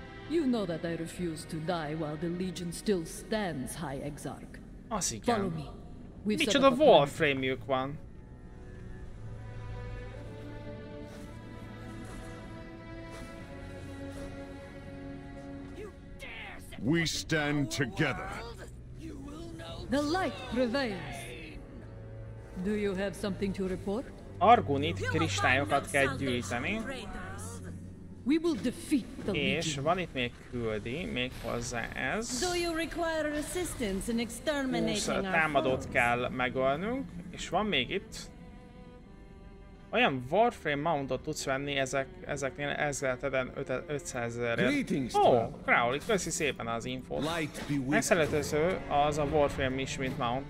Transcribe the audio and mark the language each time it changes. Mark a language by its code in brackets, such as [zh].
[en] You know that I refuse to die while the Legion still stands, High Exarch. [hu] Az igen. Micsoda Warframe-jük van. [en] We stand together. The light prevails. Do you have something to report? [hu] Argonit kristályokat kell gyűjteni. [en] We will defeat the Legion. [hu] És van itt még küldi, még hozzá ez. [en] Do you require assistance in exterminating our foes? [hu] Támadót kell megölnünk, és van még itt. Olyan Warframe mountot tudsz venni ezeknél 1500 000-ért. Oh, Crowley, köszi szépen az infót. Megszerethető az a Warframe is, mint mount.